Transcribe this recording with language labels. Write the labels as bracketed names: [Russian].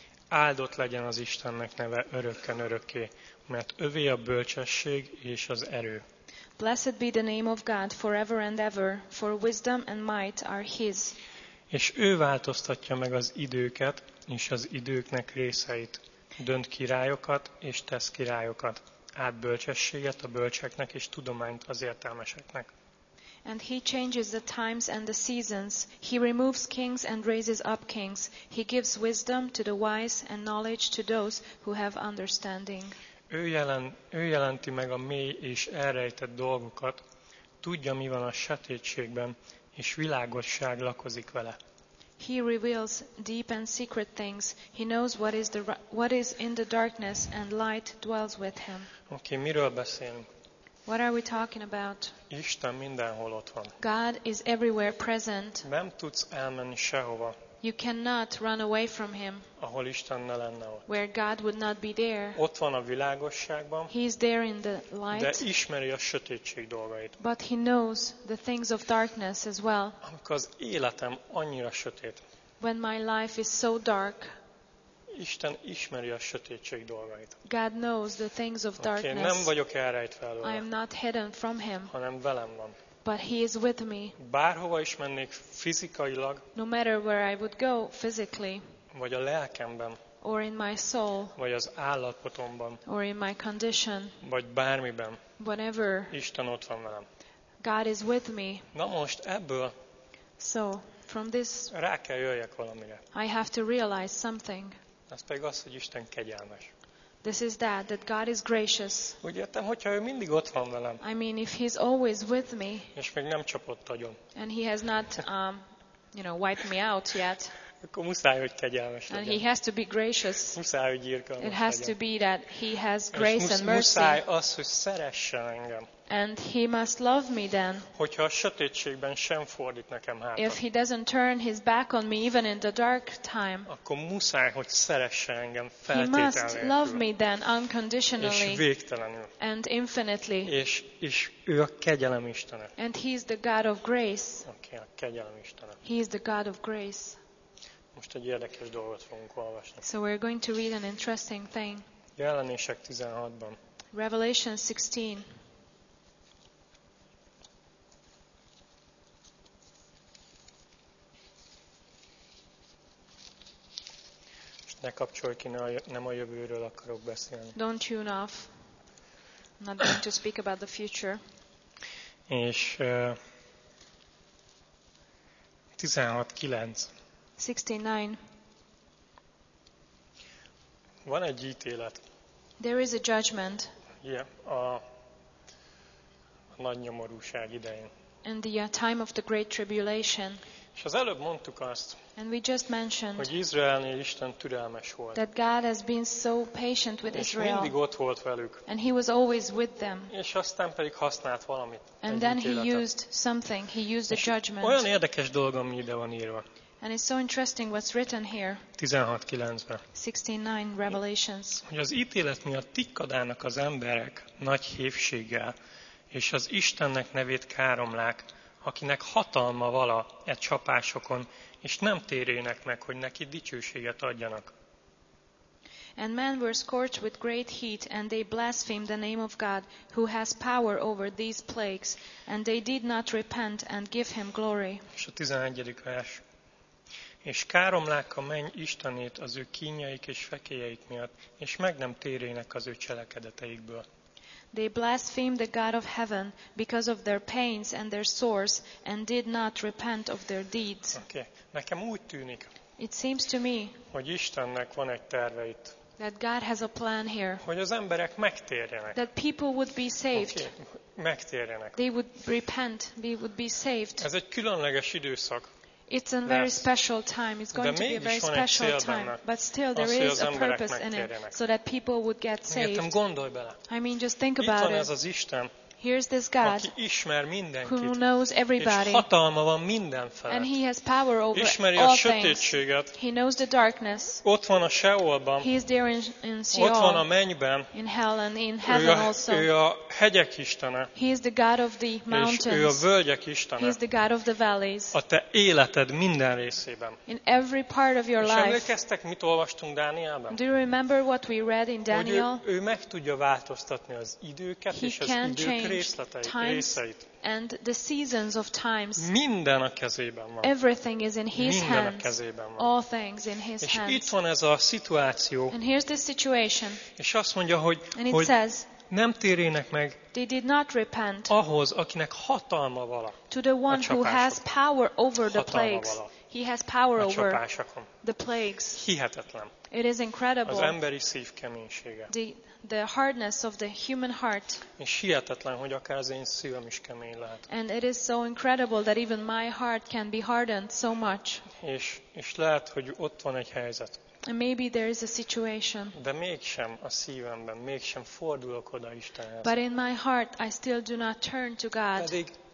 [Hungarian] áldott legyen az Istennek neve örökken örökké, mert övé a bölcsesség és az erő. [English] Blessed be the name of God forever and ever, for wisdom and might are his. [Hungarian] És ő változtatja meg az időket és az időknek részeit, dönt királyokat és tesz királyokat, át bölcsességet a bölcseknek és tudományt az értelmeseknek. [English] And he changes the times and the seasons. He removes kings and raises up kings. He gives wisdom to the wise and knowledge to those who have understanding. [Hungarian] Ő jelenti meg a mély és elrejtett dolgokat. Tudja, mi van a sötétségben, és világosság lakozik vele. [English] He reveals deep and secret things. He knows what is in the darkness, and light dwells with him. [Hungarian] Okay, miről beszélünk? [English] What are we talking about? [Hungarian] Isten mindenhol ott van. [English] God is everywhere present. [Hungarian] Nem tudsz elmenni sehova. [English] You cannot run away from him. [Hungarian] Ahol Isten ne lenne ott. [English] Where God would not be there. [Hungarian] Ott van a világosságban. [English] He is there in the light. [Hungarian] De ismeri a sötétség dolgait. [English] But he knows the things of darkness as well. [Hungarian] Amikor az életem annyira sötét. [English] When my life is so dark. [Hungarian] Isten ismeri a sötétség dolgait. [English] God knows the things of darkness. [Hungarian] Nem vagyok elrejtve előle. [English] I am not hidden from him. [Hungarian] Hanem velem van. [English] But he is with me. [Hungarian] Bárhova is mennék fizikailag. [English] No matter where I would go physically. [Hungarian] Vagy a lelkemben. [English] Or in my soul. [Hungarian] Vagy az állapotomban. [English] Or in my condition. [Hungarian] Vagy bármiben. [English] Whatever. [Hungarian] Isten ott van velem. [English] God is with me. [Hungarian] Na most ebből. [English] So from this. [Hungarian] Rá kell jöjjek valamire. [English] I have to realize something. [Hungarian] Ez pedig az, hogy Isten kegyelmes. [English] This is that God is gracious. [Hungarian] Úgy értem, hogyha ő mindig ott van velem. [English] I mean, if he's always with me. [Hungarian] És még nem csapott agyon. [English] And he has not, wiped me out yet. [Hungarian] Akkor muszáj, hogy kegyelmes legyen. [English] And he has to be gracious. [Hungarian] Muszáj, hogy irgalmas. [English] It has [Hungarian] legyen. [English] To be that he has grace and mercy. [Hungarian] Muszáj az, hogy szeressen engem. [English] And he must love me then. [Hungarian] Hogyha a sötétségben sem fordít nekem hátat. [English] If he doesn't turn his back on me even in the dark time. [Hungarian] Akkor muszáj, hogy szeressen engem feltétel nélkül. [English] He must love me then unconditionally. [Hungarian] És végtelenül. [English] And infinitely. [Hungarian] És ő a kegyelem Istene. [English] And he is the God of grace. [Hungarian] Okay, a kegyelem Istene. [English] He is the God of grace. [Hungarian] Most egy érdekes dolgot fogunk olvasni. [English] So we're going to read an interesting thing. [Hungarian] Jelenések 16-ban. [English] Revelation 16. [Hungarian] Ne kapcsolj ki, nem a jövőről akarok beszélni. [English] Don't tune off. I'm not going to speak about the future. [Hungarian] És 16:9. [English] 16:9. [Hungarian] Van egy ítélet. [English] There is a judgment. [Hungarian] Yeah, a nagy nyomorúság idején. [English] In the time of the great tribulation. [Hungarian] És az előbb mondtuk azt, [English] and we just mentioned, [Hungarian] hogy Izraelnél Isten türelmes volt. [English] That God has been so patient with Israel. [Hungarian] És mindig ott volt velük. [English] And he was always with them. [Hungarian] És aztán pedig használt valamit. [English] And then he used something. He used a judgment. [Hungarian] Olyan érdekes dolog, ami ide van írva. [English] And it's so interesting what's written here. [Hungarian] 16:9-ben. [English] 16:9 Revelations. [Hungarian] Hogy az ítélet miatt tikkadának az emberek nagy hévséggel, és az Istennek nevét káromlák, akinek hatalma vala e csapásokon, és nem térjenek meg, hogy neki dicsőséget adjanak. [English] And men were scorched with great heat, and they blasphemed the name of God, who has power over these plagues, and they did not repent and give him glory. [Hungarian] És a 11. vers. És káromlák a menny Istenét az ő kínjaik és fekélyeik miatt, és meg nem térjenek az ő cselekedeteikből. [English] They blasphemed the God of heaven because of their pains and their sores and did not repent of their deeds. [Hungarian] Okay. Nekem úgy tűnik, [English] it seems to me, [Hungarian] hogy Istennek van egy terve itt. [English] That God has a plan here. [Hungarian] Hogy az emberek megtérjenek. [English] That people would be saved. [Hungarian] Okay. Megtérjenek. [English] They would repent, they would be saved. [Hungarian] Ez egy különleges időszak. [English] It's a very special time. It's going to be a very special time. But still there is a purpose in it. So that people would get saved. [Hungarian] Értem, gondolj bele. [English] I mean, just think about it. [Hungarian] Itt van ez az Isten. [English] Here's this God. [Hungarian] Aki ismer mindenkit. [English] Who knows everybody. [Hungarian] És hatalma van minden felett. [English] And he has power over [Hungarian] ismeri [English] all [Hungarian] a sötétséget. [English] Things. He knows the darkness. [Hungarian] Ott van a Seolban. [English] He is there in Sheol. [Hungarian] Ott van a mennyben. [English] In hell and in heaven also. [Hungarian] Ő a hegyek Istene. [English] He is the God of the mountains. [Hungarian] És ő a völgyek Istene. [English] He is the God of the valleys. [Hungarian] A te életed minden részében. [English] In every part of your life. [Hungarian] És emlékeztek, mit olvastunk Dánielben? [English] Do you remember what we read in Daniel? [Hungarian] Hogy ő meg tudja változtatni az időket [English] he [Hungarian] és az időket. [English] Times and the seasons of times. [Hungarian] Minden a kezében van. [English] Everything is in his [Hungarian] minden [English] hands. [Hungarian] A kezében van. [English] All things in his [Hungarian] és [English] hands. [Hungarian] És itt van ez a szituáció. [English] And here's the situation. [Hungarian] És azt mondja, hogy [English] and it [Hungarian] hogy [English] says, [Hungarian] nem térjenek meg. [English] They did not repent. [Hungarian] Ahhoz, akinek hatalma vala. [English] To the one who has power over the plagues. He has power over the plagues. [Hungarian] Hihetetlen. [English] It is incredible. [Hungarian] Az emberi szív keménysége. [English] The hardness of the human heart. [Hungarian] És hihetetlen, hogy akár az én szívem is kemény lehet. [English] And it is so incredible that even my heart can be hardened so much. [Hungarian] És lehet, hogy ott van egy helyzet. [English] And maybe there is a situation. [Hungarian] De mégsem a szívemben, mégsem fordulok oda Istenhez. [English] But in my heart I still do not turn to God.